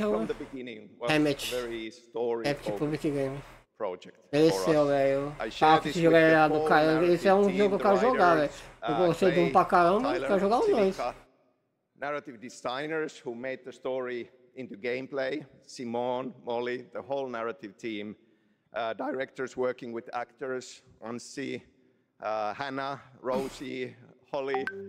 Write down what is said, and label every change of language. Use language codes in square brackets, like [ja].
[en] from the beginning was a very story project. [pt] Mereceu, velho. Ah, que esse jogo era do cara. Esse é um jogo que eu quero jogar, velho. Eu gostei de um pra caramba, eu quero jogar os dois. [en] Narrative designers who made the story into gameplay, Simon, Molly, the whole narrative team, directors working with actors, Ansi, Hannah, Rosie, Holly,